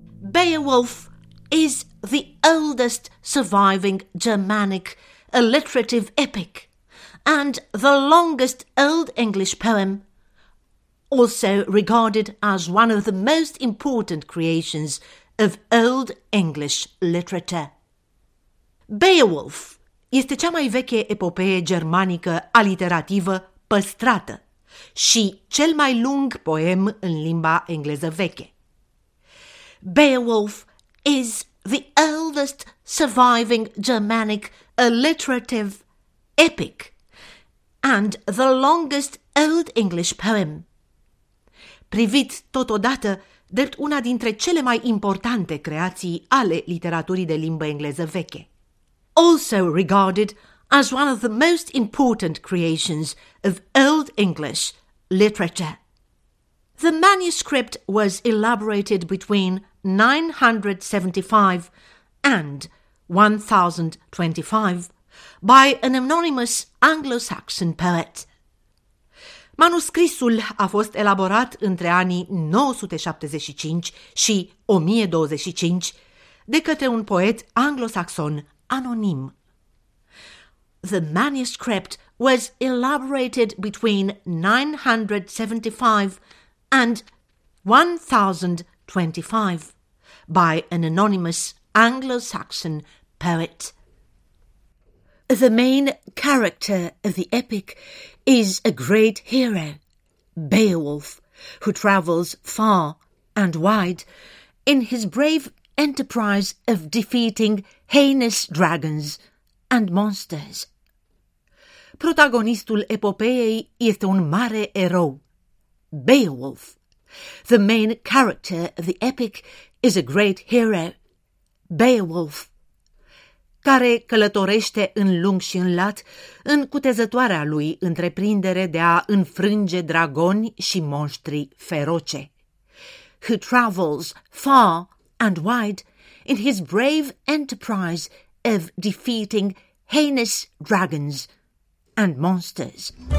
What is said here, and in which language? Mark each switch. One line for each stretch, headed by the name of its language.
English: Beowulf is the oldest surviving Germanic alliterative epic and the longest Old English poem, also regarded as one of the most important creations of Old English literature.
Romanian: Beowulf este cea mai veche epopee germanică aliterativă păstrată și cel mai lung poem în limba engleză veche.
English: Beowulf is the oldest surviving Germanic alliterative epic and the longest Old English poem.
Romanian: Privit totodată drept una dintre cele mai importante creații ale literaturii de limbă engleză veche.
English: Also regarded as one of the most important creations of Old English literature. The manuscript was elaborated between 975 and 1025 by an anonymous Anglo-Saxon poet.
Romanian: Manuscrisul a fost elaborat între anii 975 și 1025 de către un poet anglosaxon anonim.
English: The manuscript was elaborated between 975 and 1025 by an anonymous Anglo-Saxon poet. The main character of the epic is a great hero, Beowulf, who travels far and wide in his brave enterprise of defeating heinous dragons and monsters.
Romanian: Protagonistul epopeei este un mare erou, Beowulf.
English: The main character of the epic is a great hero, Beowulf,
Romanian: care călătorește în lung și în lat în cutezătoarea lui întreprindere de a înfrânge dragoni și monștri feroce.
English: Who travels far and wide in his brave enterprise of defeating heinous dragons and monsters.